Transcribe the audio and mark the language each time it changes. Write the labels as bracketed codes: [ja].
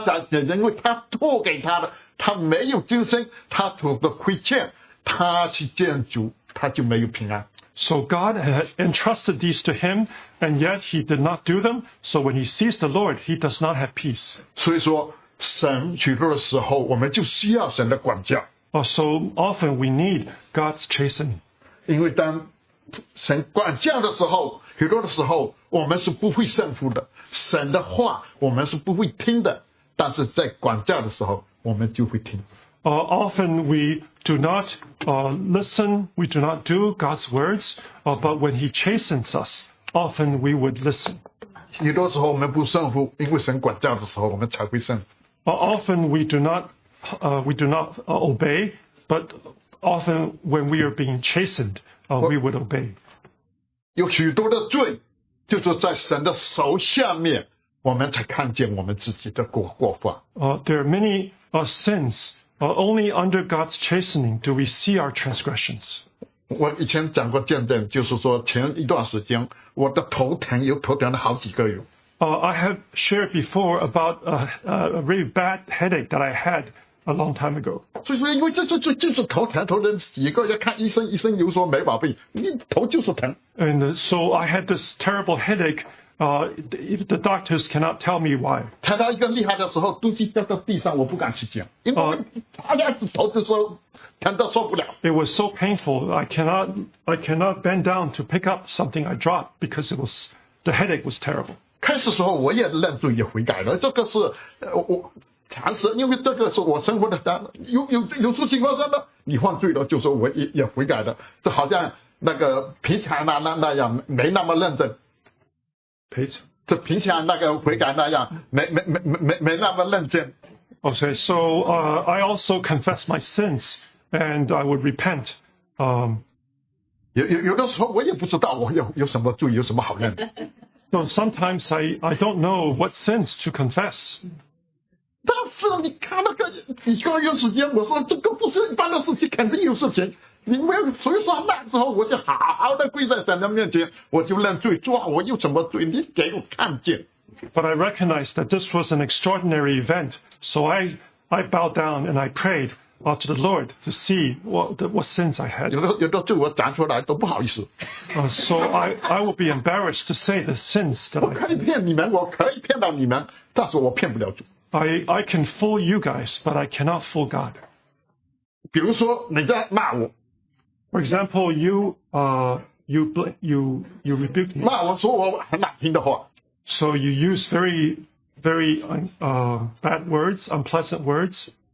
[zh] 因为他托给他的，他没有今生，他做个亏欠，他去见主，他就没有平安。 [en] So God had entrusted these to him, and yet he did not do them. So when he sees the Lord, he does not have peace. [zh] 所以说神许多的时候，我们就需要神的管教。 [en] So often we need God's chastening. [zh] 因为当神管教的时候，许多的时候我们是不会顺服的，神的话我们是不会听的。但是在管教的时候，我们就会听。 [en] Often we do not listen, we do not do God's words, but when He chastens us, often we would listen. [zh] 许多时候我们不顺服，因为神管教的时候，我们才会顺服。 [en] Often we do not obey, but often when we are being chastened, we would obey. [zh] 有许多的罪，就是在神的手下面，我们才看见我们自己的过犯。 [en] There are many sins. Only under God's chastening do we see our transgressions. [zh] 我以前讲过见证，就是说前一段时间我的头疼，又头疼了好几个月。 [en] I have shared before about a really bad headache that I had a long time ago. [zh] 就是头疼，头疼几个月，看医生，医生又说没毛病，你头就是疼。 [en] And so I had this terrible headache. The doctors cannot tell me why. [zh] 疼到一个厉害的时候，东西掉到地上，我不敢去讲，因为大家头就说疼到受不了。 [en] It was so painful. I cannot bend down to pick up something I dropped because the headache was terrible. [zh] 开始时候我也认罪也悔改了，这个是我常识，因为这个是我生活的当有出情况下呢，你犯罪了就说我也悔改了，这好像那个平常那样没那么认真，这平常那个悔改那样没那么认真。 [en] Okay, so I also confess my sins and I would repent. [zh] 有的时候我也不知道我有什么罪，有什么好认。 [en] So sometimes I don't know what sins to confess. [zh] 但是你看那个几个月时间，我说这个不是一般的事情，肯定有事情。因为所以说那时候我就好好的跪在神的面前，我就认罪，主啊，我有什么罪，你给我看见。 [en] But I recognized that this was an extraordinary event, so I bowed down and I prayed to the Lord to see what sins I had. [zh] 有的罪我讲出来都不好意思。 [en] So I will be embarrassed to say the sins that I had. [zh] 我可以骗你们，我可以骗到你们，但是我骗不了主。 [en] I can fool you guys, but I cannot fool God. [zh] 比如说你在骂我。 [en] For example, you rebuke me. [zh] 骂我说我很难听的话。 [en] So you use very, very bad words, unpleasant words.